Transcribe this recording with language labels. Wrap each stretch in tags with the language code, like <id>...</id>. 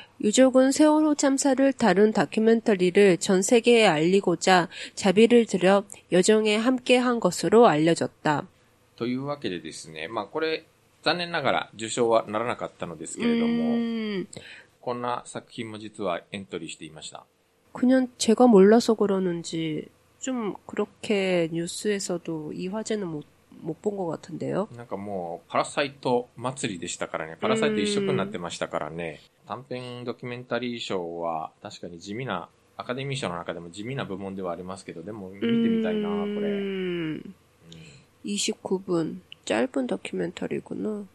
<ko>유족은세월호참사를다룬다큐멘터리를전세계에알리고자자비를들여여정에함께한것으로알려졌다。</ko> <ja>というわけでですね、まあこれ残念ながら受賞はならなかったのですけれども、こんな作品も実はエントリーしていました。</ja> <ko>그냥제가몰라서그러는지좀그렇게뉴스에서도이화제는못본것같은데요</ko> <ja>なんかもう、パラサイト祭りでしたからね。パラサイト一色になってましたからね。短編ドキュメンタリー賞は、確かに地味な、アカデミー賞の中でも地味な部門ではありますけど、でも見てみたいな、これ。 29分。</ja> <ko>짧은</ko> <ja>ドキュメンタリーかな。</ja>